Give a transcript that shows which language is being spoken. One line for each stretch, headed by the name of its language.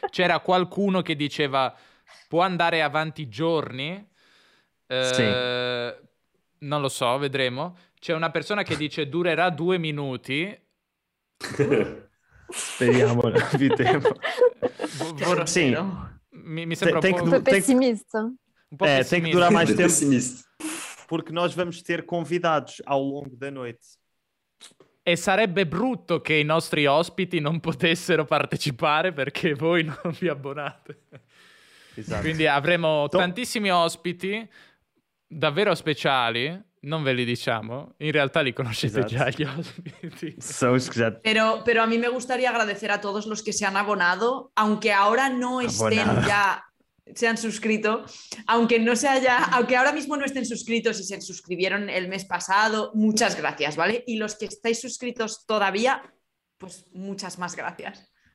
Italian: C'era qualcuno che diceva, può andare avanti giorni? Sì. Non lo so, vedremo. C'è una persona che dice, durerà 2 minuti. Speriamo di tempo. Sì. Mi sembra un po' pessimista.
Portuguese: Tem que durar mais tempo, porque nós vamos ter convidados ao longo da noite.
Italian: E sarebbe brutto che i nostri ospiti non potessero partecipare perché voi non vi abbonate. Esatto. Quindi avremo tantissimi ospiti davvero speciali, non ve li diciamo, in realtà li conoscete esatto. Già gli ospiti. So, esatto.
Spanish: Però a me gustaría agradecer a todos los que se han abonado, aunque ahora no estén ya, se han suscrito, aunque no se haya, aunque ahora mismo no estén suscritos y se suscribieron el mes pasado, muchas gracias, ¿vale? Y los que estáis suscritos todavía, pues muchas más gracias.